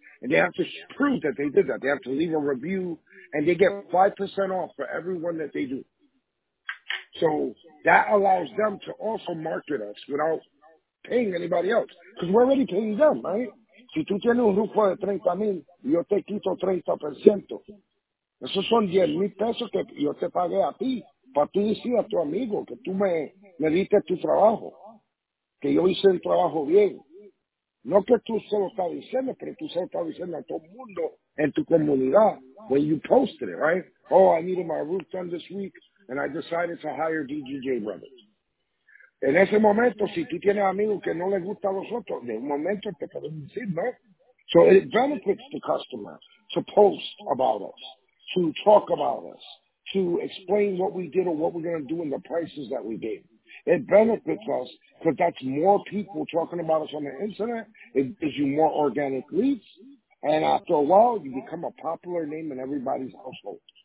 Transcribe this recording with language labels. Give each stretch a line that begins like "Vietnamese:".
English: And they have to prove that they did that. They have to leave a review, and they get 5% off for everyone that they do. So that allows them to also market us without paying anybody else, because we're already paying them, right?
Spanish: Si tú tienes un grupo de 30,000, yo te quito 30%. Esos son 10,000 pesos que yo te pagué a ti, para tú decir a tu amigo que tú me diste tu trabajo, que yo hice el trabajo bien. No que tú se lo estás diciendo, pero tú se lo estás diciendo a todo el mundo en tu comunidad
English: when you posted it, right? Oh, I needed my roof done this week, and I decided to hire DGJ Brothers.
Spanish: En ese momento, si tú tienes amigos que no les gusta a los otros, de un momento te pueden decir, ¿no?
English: So it benefits the customer to post about us, to talk about us, to explain what we did or what we're going to do and the prices that we gave. It benefits us because that's more people talking about us on the internet. It gives you more organic leads. And after a while, you become a popular name in everybody's household.